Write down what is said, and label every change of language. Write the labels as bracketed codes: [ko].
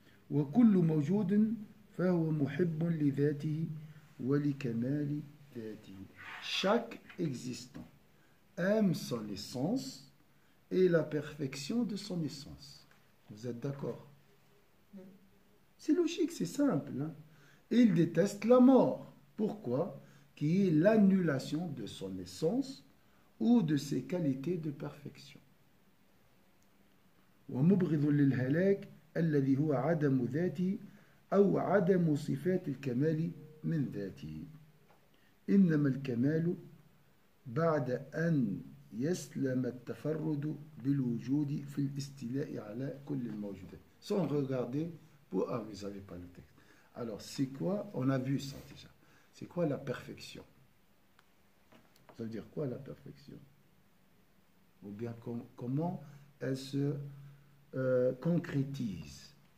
[ar] وكل موجود فهو محب لذاته ولكمال ذاته. [fr] Chaque existant aime son essence et la perfection de son essence. Vous êtes d'accord? C'est logique, c'est simple, hein? Il déteste la mort. Pourquoi? Qui est l'annulation de son essence ou de ses qualités de perfection. [ar] ومبغض للهلاك الذي هو عدم ذاته أو عدم صفات الكمال من ذاته. إنما الكمال بعد أن يسلم التفرد بالوجود في الاستيلاء على كل الموجودات. [fr] Sans regarder, ah, vous n'avez pas le texte. Alors, c'est quoi? On a vu ça déjà. C'est quoi la perfection? Ça veut dire quoi la perfection? Ou bien comment elle se concrétise.